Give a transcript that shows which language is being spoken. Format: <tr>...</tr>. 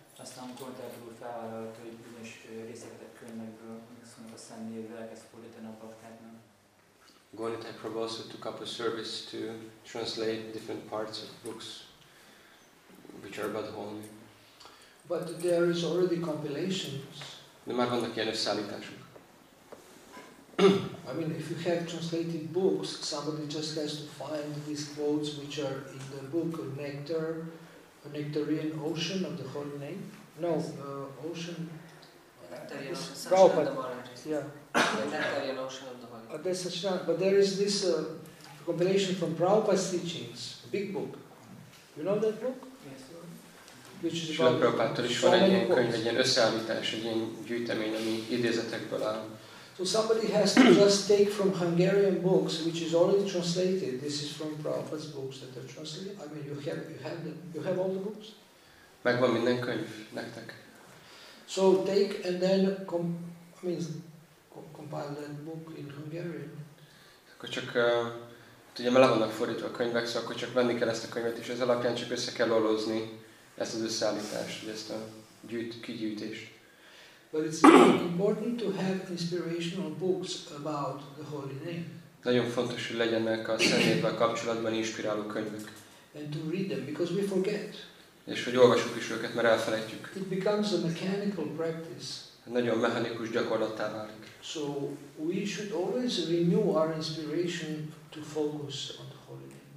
<hu>Aztán amikor terült felvállalt, hogy bizonyos részletek könyvekből, amikor a Szent Névvel elkezd fordítani a baktáknak.</hu> <en>Gaurita Prabhu also took up a service to translate different parts of books which are about the Holy Name. But there is already compilations.</en> <hu>De már vannak ilyen összeállítások.</hu> <en>I mean, if you have translated books, somebody just has to find these quotes which are in the book of Nectar, a Nectarian Ocean of the Holy Name. No, Ocean. Nectarian Ocean. But there is this compilation from Prabhupada's teachings, a big book. You know that book? Yes. Which is</en> <hu>Srila Prabhupada-tól is van egy ilyen könyv, egy ilyen összeállítás, egy ilyen gyűjtemény, ami idézetekből áll.</hu> <en>So somebody has to just take from Hungarian books, which is already translated. This is from Prabhupada's books that are translated. I mean, you have all the books?</en> <hu>Megvan minden könyv nektek.</hu> <en>So take and then compile that book in Hungarian.</en> <hu>Akkor csak, ugye már le vannak fordítva a könyvek, szóval akkor csak venni kell ezt a könyvet, és ez alapján csak össze kell olózni ezt az összeállítást, ezt a kigyűjtést.</hu> <en>But it's important to have inspirational books about the Holy Name.</en> <hu>Nagyon fontos, hogy legyenek a Szent Névvel kapcsolatban inspiráló könyvek.</hu> <en>And to read them, because we forget.</en> <hu>És hogy olvassuk is őket, mert elfelejtjük.</hu> <en>It becomes a mechanical practice.</en> <hu>Nagyon mechanikus gyakorlattá válik.</hu> <en>So we should always renew our inspiration to focus on the Holy Name.</en>